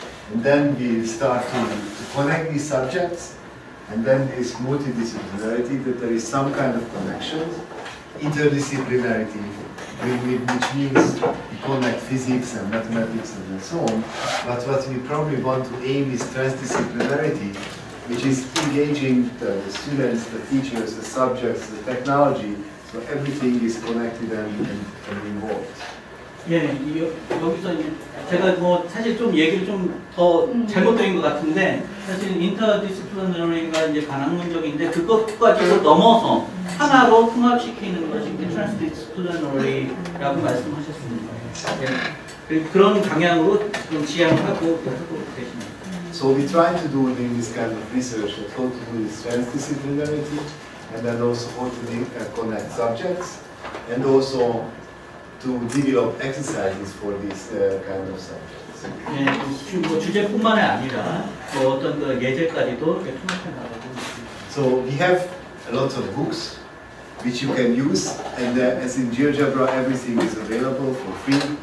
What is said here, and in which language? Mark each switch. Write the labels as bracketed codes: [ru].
[en] And then we start to connect these subjects, and then this multidisciplinarity, that there is some kind of connection, interdisciplinarity, which means we connect physics and mathematics and so on. But what we probably want to aim is transdisciplinarity, which is engaging the students, the teachers, the subjects, the technology, so everything is connected and involved. [ko] 예, 여기서 제가 뭐 사실 좀 얘기를 좀 더 잘못된 것 같은데 사실 인터디시플리너리가 이제 반학문적인데 그것까지도 넘어서 하나로 통합시키는 것이 트랜스디시플리너리라고 말씀하셨습니다. 예, 그런 방향으로 좀 지향을 하고 계십니다. [en] So we try to do in this kind of research that how to do this transdisciplinarity and then also how to connect subjects and also to develop exercises for this kind of subjects. [ko] 예, 뭐 주제뿐만이 아니라 뭐 어떤 그 예제까지도 이렇게 통합해 나가고 있습니다. [en] So we have a lot of books which you can use, and as in GeoGebra, everything is available for free.